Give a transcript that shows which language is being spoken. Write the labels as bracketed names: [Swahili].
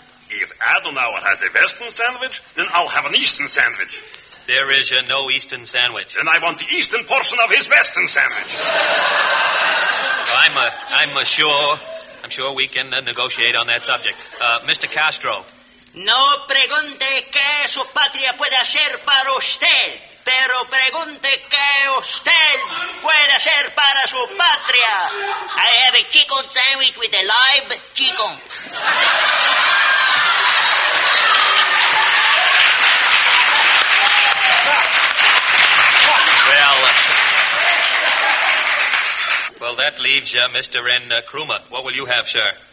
[English] If Adenauer has a Western sandwich, then I'll have an Eastern sandwich. There is no Eastern sandwich. Then I want the Eastern portion of his Western sandwich. Well, I'm sure we can negotiate on that subject. Mr. Castro. [Spanish] No pregunte que su patria puede hacer para usted. Pero pregunte qué usted puede hacer para su patria. [English] I have a chicken sandwich with a live chicken. Well, that leaves Mr. N. Kruma. What will you have, sir?